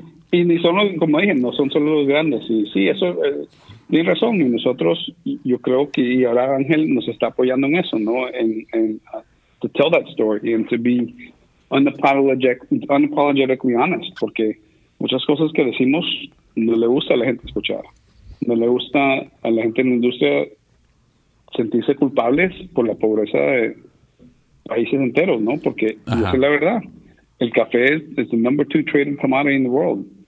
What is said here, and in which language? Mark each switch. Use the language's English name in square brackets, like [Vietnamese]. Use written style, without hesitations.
[Spanish] Y ni son los, como dije, no son solo los grandes. Y sí, eso tiene razón. Y nosotros, yo creo que ahora Ángel nos está apoyando en eso, ¿no? [English] En to tell that story and to be unapologetically honest. [Spanish] Porque muchas cosas que decimos no le gusta a la gente escuchar. No le gusta a la gente en la industria sentirse culpables por la pobreza de países enteros, ¿no? Porque esa es la verdad. El café es el [English] number two trading commodity in the world.